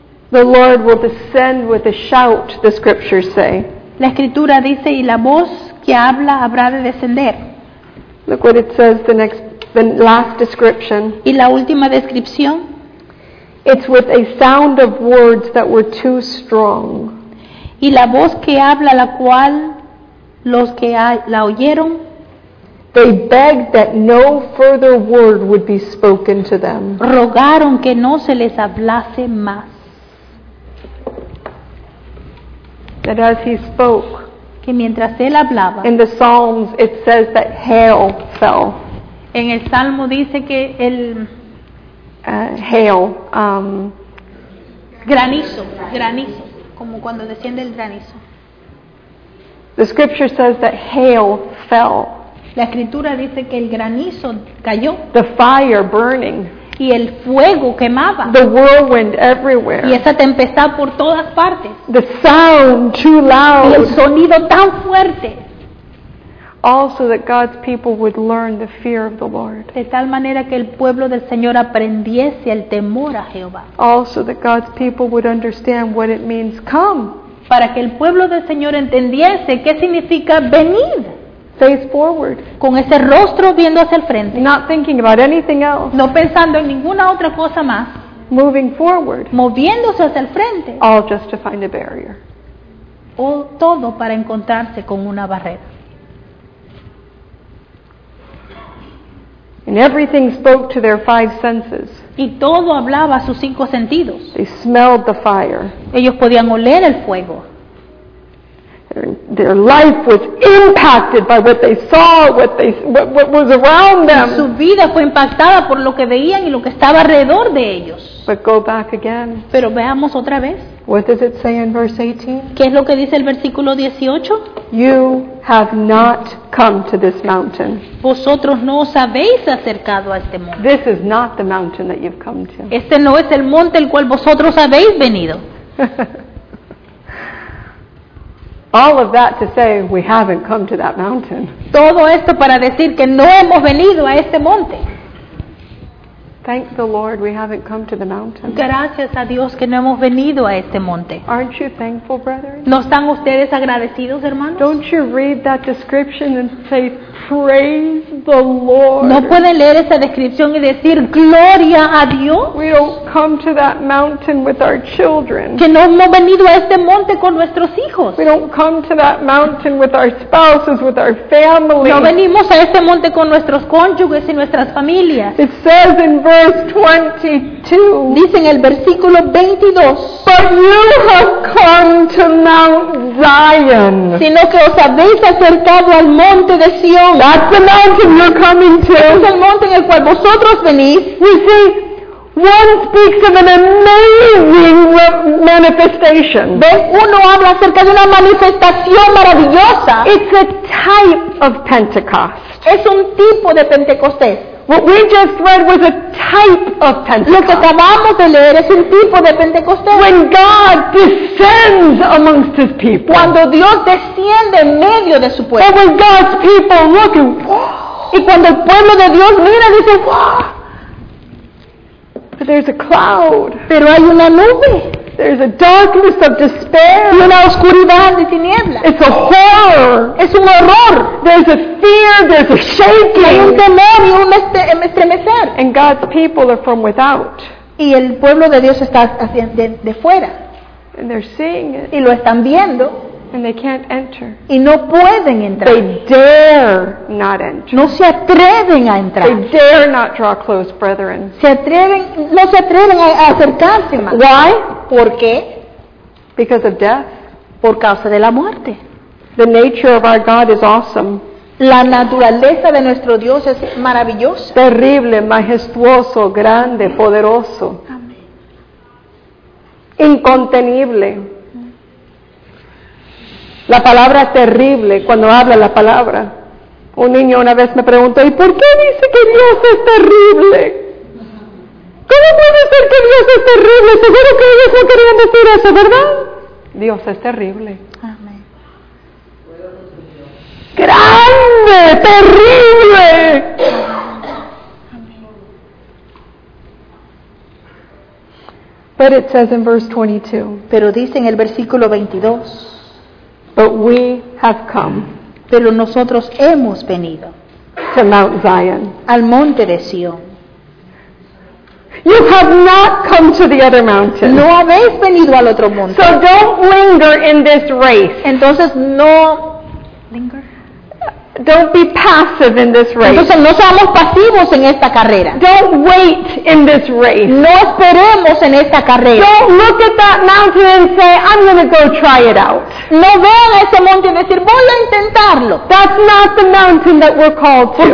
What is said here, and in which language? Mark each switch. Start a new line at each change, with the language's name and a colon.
English: The Lord will descend with a shout, the scriptures say.
Spanish: La escritura dice y la voz que habla habrá de descender.
English: Look what it says, the last description.
Spanish: Y la última descripción.
English: It's with a sound of words that were too strong.
Spanish: Y la voz que habla la cual los que la oyeron.
English: They begged that no further word would be spoken to them.
Spanish: Rogaron que no se les hablase más.
English: That as he spoke.
Spanish: Que mientras él hablaba.
English: In the Psalms it says that hail fell.
Spanish: En el Salmo dice que el
English: hail,
Spanish: granizo, como cuando desciende el granizo.
English: The scripture says that hail fell.
Spanish: La escritura dice que el granizo cayó.
English: The fire burning.
Spanish: Y el fuego quemaba.
English: The whirlwind everywhere.
Spanish: Y esa tempestad por todas partes.
English: The sound too loud.
Spanish: Y el sonido tan fuerte.
English: Also that God's people would learn the fear of the Lord.
Spanish: De tal manera que el pueblo del Señor aprendiese el temor a Jehová.
English: Also that God's people would understand what it means come.
Spanish: Para que el pueblo del Señor entendiese qué significa venir.
English: Face forward.
Spanish: Con ese rostro viendo hacia el frente.
English: Not thinking about anything else.
Spanish: No pensando en ninguna otra cosa más.
English: Moving forward.
Spanish: Moviéndose hacia el frente.
English: All just to find a barrier.
Spanish: O todo para encontrarse con una barrera.
English: And everything spoke to their 5 senses.
Spanish: Y todo hablaba a sus 5 sentidos.
English: They smelled the fire.
Spanish: Ellos podían oler el fuego.
English: Their life was impacted by what they saw, what was around them.
Spanish: Su vida fue impactada por lo que veían y lo que estaba alrededor de ellos.
English: But go back again.
Spanish: Pero veamos otra vez.
English: What does it say in verse 18?
Spanish: ¿Qué es lo que dice el versículo 18?
English: You have not come to this mountain.
Spanish: Vosotros no os habéis acercado a este monte.
English: This is not the mountain that you've come to.
Spanish: Este no es el monte al cual vosotros habéis venido.
English: All of that to say we haven't come to that mountain.
Spanish: Todo esto para decir que no hemos venido a este monte.
English: Thank the Lord we haven't come to the mountain.
Spanish: Gracias a Dios que no hemos venido a este monte.
English: Aren't you thankful, brethren?
Spanish: ¿No están ustedes agradecidos, hermanos?
English: Don't you read that description and say, praise the Lord?
Spanish: ¿No pueden leer esa descripción y decir, gloria a Dios?
English: We don't come to that mountain with our children.
Spanish: Que no hemos venido a este monte con nuestros hijos.
English: We don't come to that mountain with our spouses, with our family.
Spanish: No venimos a este monte con nuestros cónyuges y nuestras familias.
English: It says in verse 22.
Spanish: Dice en el versículo 22.
English: But you have come to Mount Zion.
Spanish: Sino que os habéis acercado al monte de Sion.
English: That's the mountain you're coming to.
Spanish: Es el monte en el cual vosotros venís.
English: You see, one speaks of an amazing manifestation.
Spanish: ¿Ves? Uno habla acerca de una manifestación maravillosa.
English: It's a type of Pentecost.
Spanish: Es un tipo de Pentecostés.
English: What we just read was a type of Pentecost.
Spanish: Lo que acabamos de leer es un tipo de Pentecostés.
English: When God descends amongst His people.
Spanish: Cuando Dios desciende en medio de su pueblo.
English: And when God's people look and whoa.
Spanish: Y cuando el pueblo de Dios mira y dice whoa.
English: But there's a cloud.
Spanish: Pero hay una nube.
English: There's a darkness of despair.
Spanish: Y una oscuridad de tinieblas.
English: It's a horror.
Spanish: Es un horror.
English: There's a fear. There's a shaking.
Spanish: Hay un temor y un estremecer.
English: And God's people are from without.
Spanish: Y el pueblo de Dios está de fuera.
English: And they're seeing it.
Spanish: Y lo están viendo.
English: And they can't enter.
Spanish: Y no pueden entrar.
English: They dare not enter.
Spanish: No se atreven a entrar.
English: They dare not draw close, brethren.
Spanish: No se atreven a acercarse más.
English: Why?
Spanish: ¿Por qué?
English: Because of death.
Spanish: Por causa de la muerte.
English: The nature of our God is awesome.
Spanish: La naturaleza de nuestro Dios es maravillosa. Terrible, majestuoso, grande, poderoso. Amén. Incontenible. La palabra terrible, cuando habla la palabra. Un niño una vez me preguntó, ¿y por qué dice que Dios es terrible? ¿Cómo puede ser que Dios es terrible? Seguro que ellos no querían decir eso, ¿verdad? Dios es terrible. Amén. ¡Grande! ¡Terrible! Amén.
English: But it says in verse 22.
Spanish: Pero dice en el versículo 22.
English: But we have come.
Spanish: Pero nosotros hemos venido.
English: To Mount Zion.
Spanish: Al monte de Sion.
English: You have not come to the other mountain.
Spanish: No habéis venido al otro monte.
English: So don't linger in this race.
Spanish: Entonces no linger.
English: Don't be passive in this race.
Spanish: Entonces no seamos pasivos en esta carrera.
English: Don't wait in this race.
Spanish: No esperemos en esta carrera.
English: Don't look at that mountain and say, I'm going to go try it out.
Spanish: No vean a ese monte y decir, voy a intentarlo.
English: That's not the mountain that we're called to.